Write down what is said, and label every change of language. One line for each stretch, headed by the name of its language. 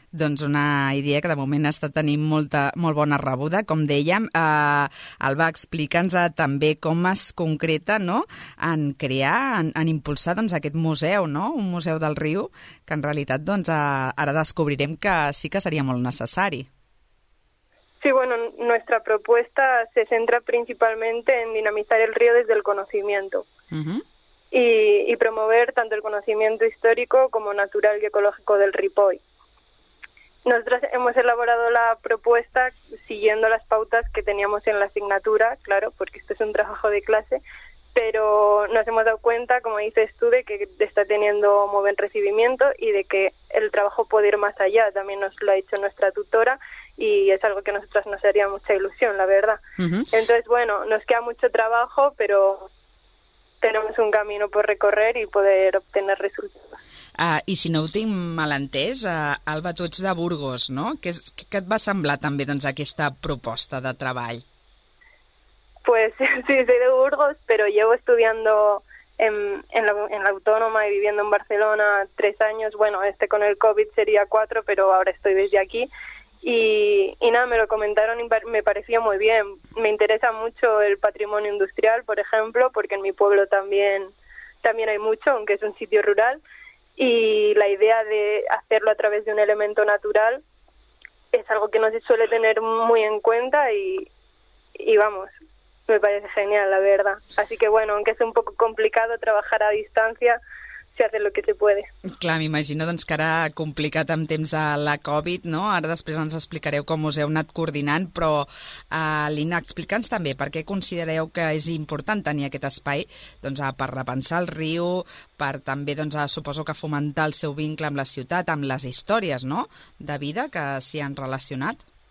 Catalan: Doncs una idea que de moment està tenint molt bona rebuda, com dèiem. Alba, explica'ns també com es concreta, no?, en crear, en impulsar doncs, aquest museu, no?, un museu del riu, que en realitat doncs, ara descobrirem que sí que seria molt necessari.
Spanish: Sí, bueno, nuestra propuesta se centra principalmente en dinamizar el río desde el conocimiento. Uh-huh. Y promover tanto el conocimiento histórico como natural y ecológico del Ripoll. Nosotros hemos elaborado la propuesta siguiendo las pautas que teníamos en la asignatura, claro, porque esto es un trabajo de clase, pero nos hemos dado cuenta, como dices tú, de que está teniendo muy buen recibimiento y de que el trabajo puede ir más allá. También nos lo ha dicho nuestra tutora y es algo que a nosotras nos haría mucha ilusión, la verdad. Uh-huh. Entonces, bueno, nos queda mucho trabajo, pero tenemos un camino por recorrer y poder obtener resultados.
Catalan: I si no ho tinc mal entès, Alba, tu ets de Burgos, no? Què et va semblar també doncs, aquesta proposta de treball?
Spanish: Pues sí, soy de Burgos, pero llevo estudiando en la Autónoma y viviendo en Barcelona 3 años. Bueno, este con el COVID sería 4, pero ahora estoy desde aquí. Y nada, me lo comentaron y me parecía muy bien. Me interesa mucho el patrimonio industrial, por ejemplo, porque en mi pueblo también hay mucho, aunque es un sitio rural. Y la idea de hacerlo a través de un elemento natural es algo que no se suele tener muy en cuenta y vamos, me parece genial, la verdad. Así que bueno, aunque es un poco complicado trabajar a distancia, se hace lo que se puede.
Catalan: Clar, m'imagino doncs, que ara complicat amb temps de la Covid, no? Ara després ens explicareu com us heu anat coordinant, però, Lina, explica'ns també per què considereu que és important tenir aquest espai doncs, per repensar el riu, per també, doncs, suposo que fomentar el seu vincle amb la ciutat, amb les històries, no?, de vida que s'hi han relacionat.